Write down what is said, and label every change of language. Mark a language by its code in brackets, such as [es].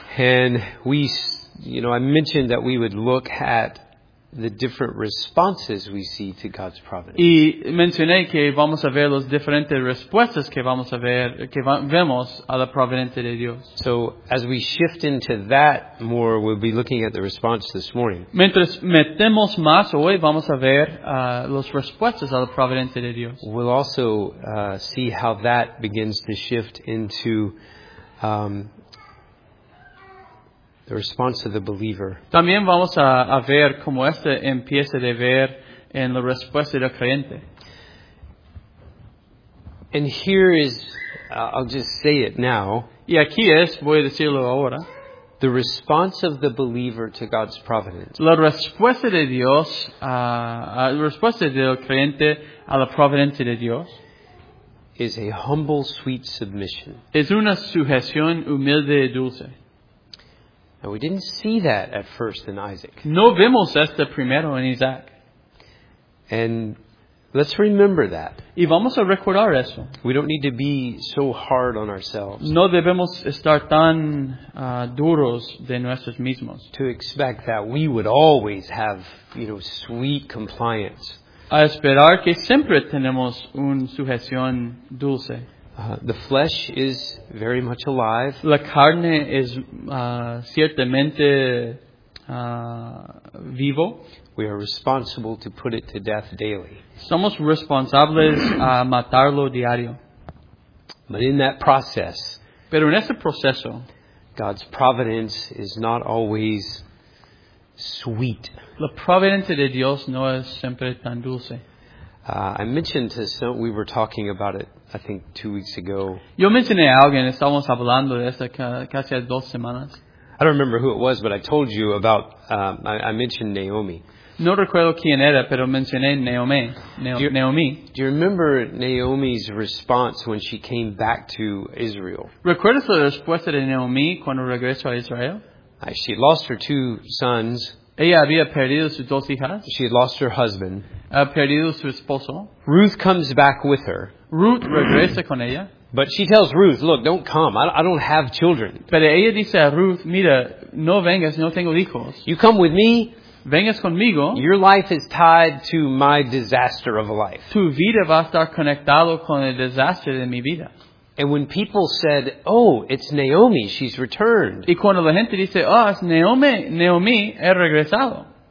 [en] And we, you know, I mentioned that we would look at the different responses we see to God's providence. [es] Y mencioné que vamos a ver las diferentes respuestas que vamos a ver, que vemos a la providencia de Dios. [en] So, as we shift into that more, we'll be looking at the response this morning. [es] Mientras metemos más hoy, vamos a ver las respuestas a la providencia de Dios. [en] We'll also see how that begins to shift into the response of the believer. [es] También vamos a ver cómo esto empieza a ver en la respuesta del creyente. [en] And here is, I'll just say it now. [es] Y aquí es, voy a decirlo ahora. [en] The response of the believer to God's providence. [es] La respuesta de Dios, la respuesta del creyente a la providencia de Dios. [en] Is a humble, sweet submission. [es] Es una sujeción humilde y dulce. [en] Now, we didn't see that at first in Isaac. [es] No vimos esto primero en Isaac. [en] And let's remember that. [es] Y vamos a recordar eso. [en] We don't need to be so hard on ourselves. [es] No debemos estar tan duros de nosotros mismos. [en] To expect that we would always have, you know, sweet compliance. [es] A esperar que siempre tenemos una sujeción dulce. [en] The flesh is very much alive. [es] La carne es ciertamente vivo. [en] We are responsible to put it to death daily. [es] Somos responsables a matarlo diario. [en] But in that process, [es] pero en ese proceso, [en] God's providence is not always sweet. [es] La providencia de Dios no es siempre tan dulce. [en] I mentioned to some, we were talking about it, I think, 2 weeks ago. [es] Yo mencioné a alguien, estábamos hablando de esto casi hace dos semanas. [en] I don't remember who it was, but I told you about, I mentioned Naomi. [es] No recuerdo quién era, pero mencioné Naomi. [en] Do you remember Naomi's response when she came back to Israel? [es] ¿Recuerdas la respuesta de Naomi cuando regresó a Israel? [en] She lost her two sons. [es] Ella había perdido sus dos hijas. [en] She had lost her husband. [es] Ha perdido su esposo. [en] Ruth comes back with her. [es] Ruth regresa con ella. [en] But she tells Ruth, look, don't come. I don't have children. [es] Pero ella dice a Ruth, mira, no vengas, no tengo hijos. [en] You come with me. [es] Vengas conmigo. [en] Your life is tied to my disaster of a life. [es] Tu vida va a estar conectado con el desastre de mi vida. [en] And when people said, oh, it's Naomi, she's returned. [es] Y cuando la gente dice, oh, es Naomi, Naomi, he regresado.